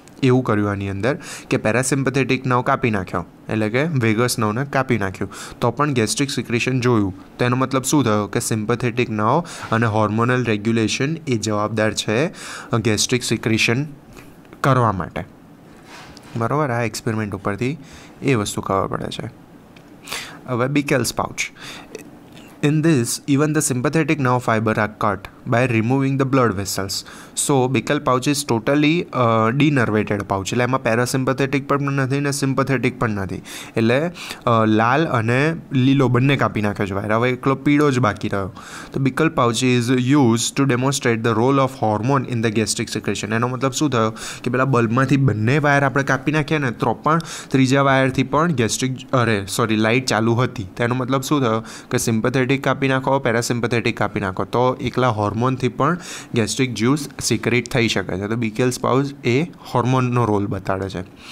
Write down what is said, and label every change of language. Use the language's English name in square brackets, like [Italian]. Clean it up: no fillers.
[Gujarati] એવું કર્યું આની અંદર કે પેરાસિમ્પથેટિક નર્વ કાપી નાખ્યો, એટલે કે વેગસ નર્વને કાપી નાખ્યું, તો પણ ગેસ્ટ્રિક સિક્રેશન જોયું તો એનો મતલબ શું થયો કે સિમ્પથેટિક નર્વ અને હોર્મોનલ રેગ્યુલેશન એ જવાબદાર છે ગેસ્ટ્રિક સિક્રેશન કરવા માટે, બરાબર. આ એક્સપેરિમેન્ટ ઉપરથી એ વસ્તુ ખબર પડે છે. હવે બીકેલ્સ pouch. [English] In this, even the sympathetic nerve fiber are cut by removing the blood vessels. So, Bickel pouch is totally denervated pouch. [Gujarati] એટલે એમાં parasympathetic પણ નથી ને sympathetic પણ નથી. એટલે લાલ અને લીલો બંને કાપી નાખ્યો છે વાયર, હવે એકલો પીળો જ બાકી રહ્યો. [English] તો Bickel pouch is used to demonstrate the role of hormone in the gastric secretion. [Gujarati] એનો મતલબ શું થયો કે પેલા બલ્બમાંથી બંને વાયર આપણે કાપી નાખ્યા ને તો પણ ત્રીજા વાયરથી પણ ગેસ્ટ્રિક લાઇટ ચાલુ હતી, તેનો મતલબ શું થયો કે સિમ્પથેટિક કાપી નાખો પેરાસિમ્પથેટિક કાપી નાખો તો એકલા હોર્મોનથી પણ ગેસ્ટ્રિક જ્યુસ સિક્રેટ થઈ શકે છે. તો બીકેલ્સ પાઉચ એ હોર્મોનનો રોલ બતાડે છે.